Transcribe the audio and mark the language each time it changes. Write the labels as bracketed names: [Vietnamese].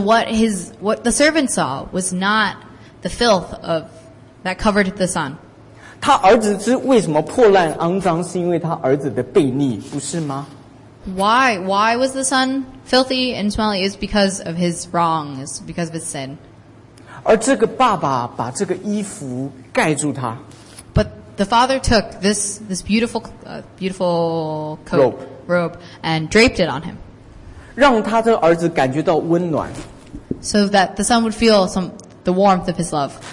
[English] what the servant saw was not the filth of that covered the son. [Chinese] 他儿子之为什么破烂肮脏，是因为他儿子的悖逆，不是吗？ [English] Why was the son filthy and smelly? It's because of his wrongs, because of his sin. [Chinese] 而这个爸爸把这个衣服盖住他。 [English] The father took this beautiful coat, robe and draped it on him. [Chinese] 让他的儿子感觉到温暖。 [English] So that the son would feel the warmth of his love.